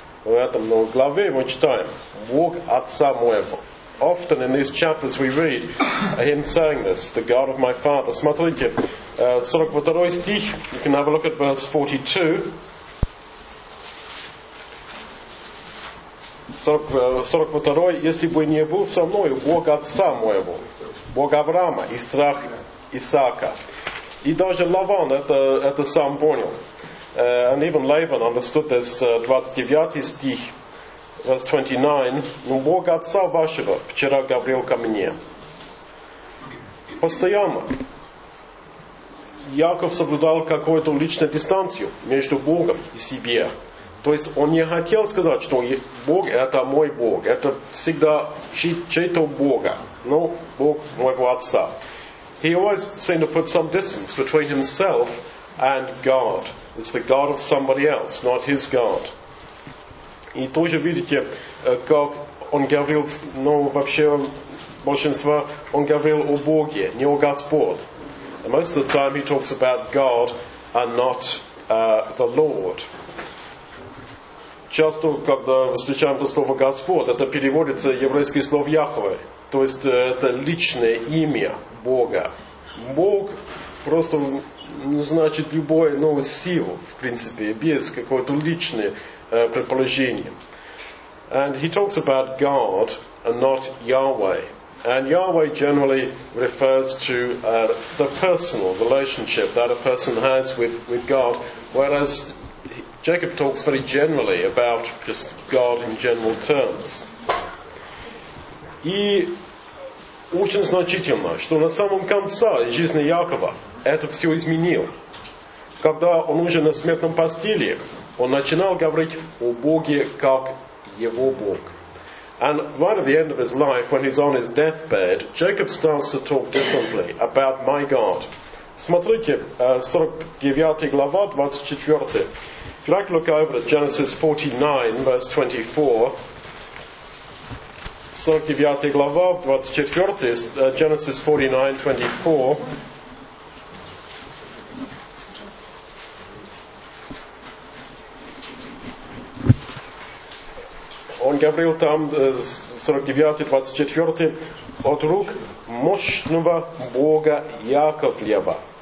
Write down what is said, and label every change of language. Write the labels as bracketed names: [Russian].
[Russian] В этом главе мы читаем Бог Отца моего. [English] Often in these chapters we read him saying this, the God of my father. [Russian] Смотрите, 42 стих, [English] you can have a look at verse 42. [Russian] 42, если бы не был со мною Бог Отца моего, Бог Авраама и страх Исаака. И даже Лаван это сам понял. [English] And even Laban understood this, 29 стих. Verse 29, [Russian] но Бог Отца вашего вчера говорил ко мне. Постоянно Яков соблюдал какую-то личную дистанцию между Богом и себе. То есть он не хотел сказать, что Бог это мой Бог. Это всегда чей-то Бога. Но Бог моего Отца. [English] He always seemed to put some distance between himself and God. It's the God of somebody else, not his God. [Russian] И тоже видите, как он говорил, ну вообще большинство, он говорил о Боге, не о Господе. [English] And most of the time he talks about God and not the Lord. [Russian] Часто, когда встречаем это слово Господь, это переводится еврейское слово Яхве, то есть это личное имя Бога. Бог просто значит любое новое силу, в принципе, без какого-то личного предположения. [English] And he talks about God and not Yahweh. And Yahweh generally refers to the personal relationship that a person has with God, whereas Jacob talks very generally about just God in general terms. [Russian] И очень значительно, что на самом конце жизни Якова это все изменил. Когда он уже на смертном постели, он начинал говорить о Боге как его Бог. [English] And right at the end of his life, when he's on his deathbed, Jacob starts to talk differently about my God. [Russian] Смотрите, 49 глава, 24. [English] If you'd like to look over at Genesis 49, verse 24. [Russian] 49 глава, 24, [English] Genesis 49, 24. [Russian] Он говорил там, 49, 24, от рук мощного Бога Яковлева.